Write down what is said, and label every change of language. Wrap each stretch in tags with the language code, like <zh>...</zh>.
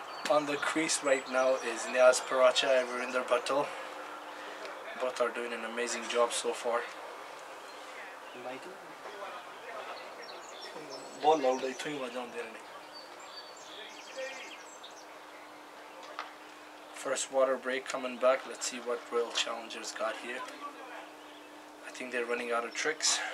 <en>On the crease right now is Niaz Paracha and Virinder Bhatal. Both are doing an amazing job so far. Michael.</en> <pa>ਬਹੁਤ loud ਹੈ, ਇੱਥੋਂ ਹੀ ਆਵਾਜ਼ਾਂ ਆਉਂਦੀਆਂ ਨੇ।</pa> <en>First water break coming back. Let's see what Royal Challengers got here. I think they're running out of tricks.</en>